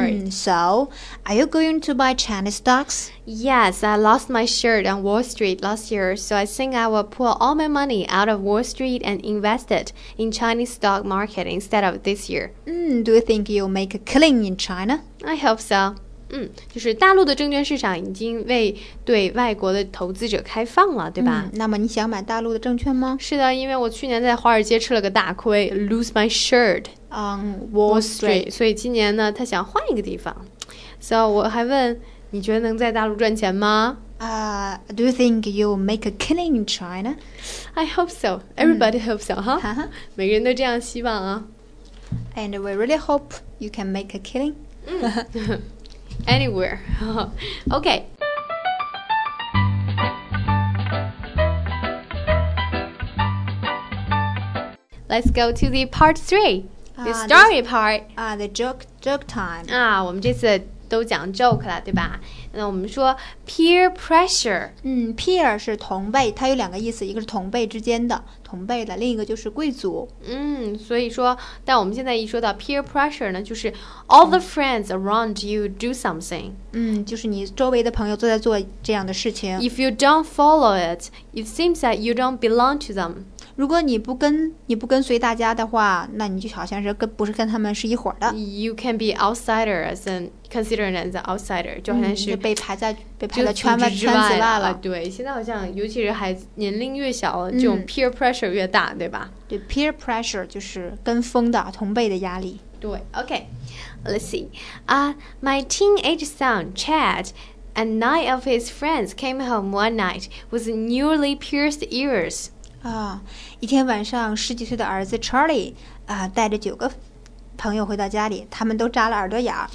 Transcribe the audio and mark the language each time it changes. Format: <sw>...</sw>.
<en>So, are you going to buy Chinese stocks? Yes, I lost my shirt on Wall Street last year, so I think I will pull all my money out of Wall Street and invest it in Chinese stock market instead of this year. Do you think you'll make a killing in China? I hope so.</en> <zh>就是大陆的证券市场已经为对外国的投资者开放了，对吧？那么你想买大陆的证券吗？是的，因为我去年在华尔街吃了个大亏 ，</zh> <en>lose my shirt on Wall Street，</en> <zh>所以今年呢，他想换一个地方。So 我还问，你觉得能在大陆赚钱吗？</zh> <en>Do you think you'll make a killing in China? I hope so. Everybody hopes so, huh?</en> <zh>每个人都这样希望啊。</zh> <en>And we really hope you can make a killing. Anywhere. Okay. Let's go to the part three. The story part. The joke time.</en> <zh>我们这次都讲 joke 了，对吧？那我们说 peer pressure. Peer 是同辈，它有两个意思，一个是同辈之间的，同辈的，另一个就是贵族。所以说，但我们现在一说到 peer pressure 呢，就是</zh> <en>all the friends around you do something.</en> <zh>就是你周围的朋友都在做这样的事情。</zh> <en>If you don't follow it, it seems that you don't belong to them.</en> <zh>如果你不跟随大家的话，那你就好像是不是跟他们是一伙的。</zh> <en>You can be outsider as an considered as an outsider,</en> <zh>就好像是被排在圈子外了。对，现在好像尤其是孩子年龄越小，这种 peer pressure 越大，对吧？对 ，peer pressure 就是跟风的同辈的压力。</zh> <en>对 ，Okay, let's see. My teenage son Chad and 9 of his friends came home one night with newly pierced ears.</en> <zh>一天晚上，十几岁的儿子 Charlie 带着9个。朋友回到家里，他们都扎了耳朵眼儿。</zh>